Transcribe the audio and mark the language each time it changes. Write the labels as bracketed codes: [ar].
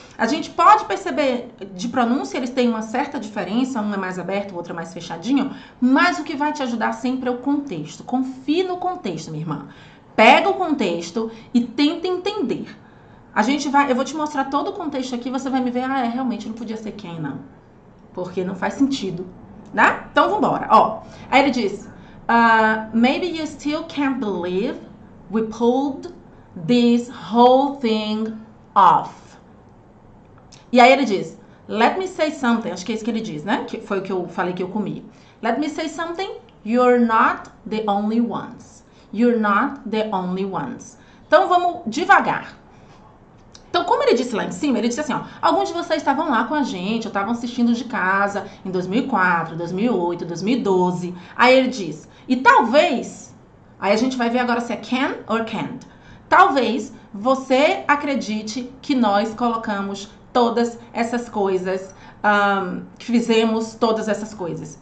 [pt] A gente pode perceber de pronúncia, eles têm uma certa diferença, um é mais aberto, o outro é mais fechadinho, mas o que vai te ajudar sempre é o contexto. Confie no contexto, minha irmã. Pega o contexto e tenta entender. A gente vai, eu vou te mostrar todo o contexto aqui, você vai me ver, ah, é, realmente não podia ser quem, não. Porque não faz sentido, né? Então, vambora, ó. Aí ele diz, [en] maybe you still can't believe we pulled this whole thing off. [pt] E aí ele diz, [en] let me say something, [pt] acho que é isso que ele diz, né? Que foi o que eu falei que eu comi. [en] Let me say something, you're not the only ones. You're not the only ones. [pt] Então, vamos devagar. Então, como ele disse lá em cima, ele disse assim, ó, alguns de vocês estavam lá com a gente, ou estavam assistindo de casa em 2004, 2008, 2012. Aí ele diz, e talvez, aí a gente vai ver agora se é can or can't. Talvez você acredite que nós colocamos todas essas coisas, que fizemos todas essas coisas.